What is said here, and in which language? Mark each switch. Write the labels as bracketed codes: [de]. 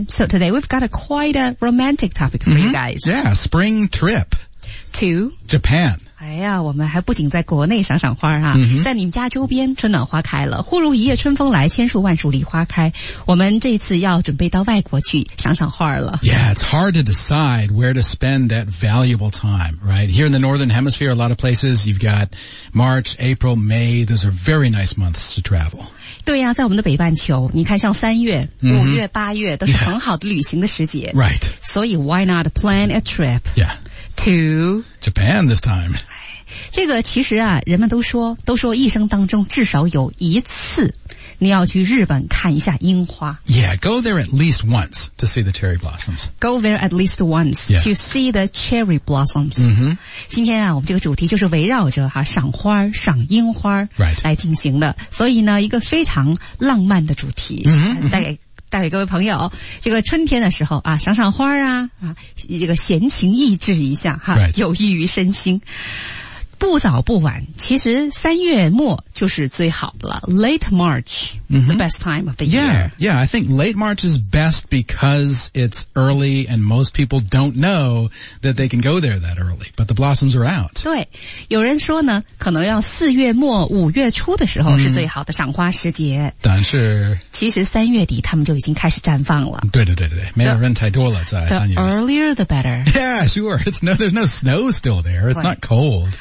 [en] So today we've got a quite a romantic topic for you guys. Yeah, spring trip to Japan. [zh] 哎呀，我们还不仅在国内赏赏花啊，在你们家周边春暖花开了，忽如一夜春风来，千树万树梨花开。我们这次要准备到外国去赏赏花了。 [en] Yeah, it's hard to decide where to spend that valuable time, right? Here in the Northern Hemisphere, a lot of places, you've got March, April, May, those are very nice months to travel. [zh] 对呀，在我们的北半球，你看像三月、五月、八月都是很好的旅行的时节。 [en] Yeah. Right. [zh] 所以 [en] why not plan a trip? Yeah. To Japan this time. [zh] 这个其实啊，人们都说一生当中至少有一次你要去日本看一下樱花。 [en] Yeah, go there at least once to see the cherry blossoms. Go there at least once to see the cherry blossoms. [zh] 今天啊，我们这个主题就是围绕着哈赏花、赏樱花来进行的，所以呢，一个非常浪漫的主题。带给各位朋友，这个春天的时候啊，赏赏花啊，这个闲情逸致一下哈，有益于身心。不早不晚，其实三月末就是最好的了。 [en] Late March, the best time of the year. Yeah, I think late March is best because it's early and most people don't know that they can go there that early. But the blossoms are out. [zh] 对，有人说呢，可能要四月末五月初的时候是最好的赏花时节。但是，其实三月底他们就已经开始绽放了。对，没有人太多了，在三月。 [en] The earlier the better. Yeah, sure. It's no, there's no snow still there. It's not cold.